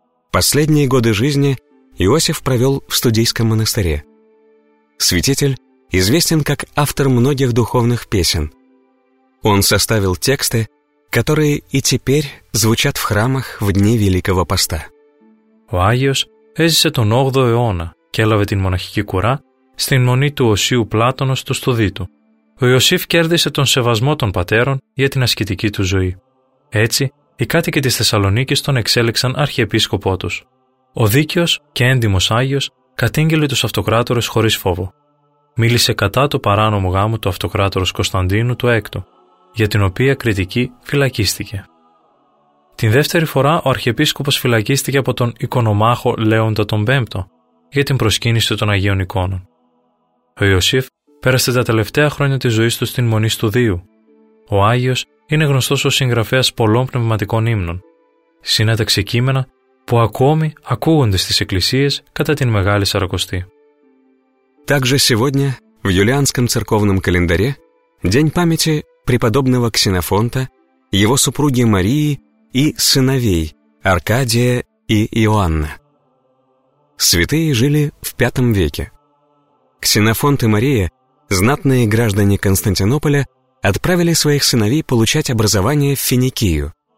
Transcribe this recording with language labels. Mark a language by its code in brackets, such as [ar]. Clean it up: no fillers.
[ru] Последние годы жизни Иосиф провел в Студийском монастыре. Святитель известен как автор многих духовных песен. Он составил тексты, которые и теперь звучат в храмах в дни Великого Поста. [el] Ο Άγιος έζησε τον 8ο αιώνα και έλαβε την μοναχική κουρά στην μονή του Οσίου Πλάτωνος του Στοδίτου. Ο Ιωσήφ κέρδισε τον σεβασμό των πατέρων για την ασκητική του ζωή. Έτσι, οι κάτοικοι της Θεσσαλονίκης τον εξέλεξαν αρχιεπίσκοπό τους. Ο δίκαιος και έντιμος Άγιος κατήγγειλε τους αυτοκράτορες χωρίς φόβο. Μίλησε κατά του παράνομου γάμου του αυτοκράτορος Κωνσταντίνου του VI, για την οποία κριτική φυλακίστηκε. Την δεύτερη φορά ο αρχιεπίσκοπος φυλακίστηκε από τον οικονομάχο Λέοντα τον V για την προσκύνηση των Αγίων Εικόνων. Ο Ιωσήφ πέρασε τα τελευταία χρόνια της ζωής του στην Μονή Στουδίου. Ο Άγιος είναι γνωστός ως συγγραφέας πολλών πνευματικών ύμνων. Συνέταξε κείμενα που ακόμη ακούγονται στις εκκλησίες κατά την Μεγάλη Σαρακοστή. [ru] Также сегодня в юлианском церковном календаре день памяти преподобного Ксенофонта, его супруги Марии и сыновей Аркадия и Иоанна. Святые жили в V веке. Ксенофонт и Мария, знатные граждане Константинополя, отправили своих сыновей получать образование в Финикию.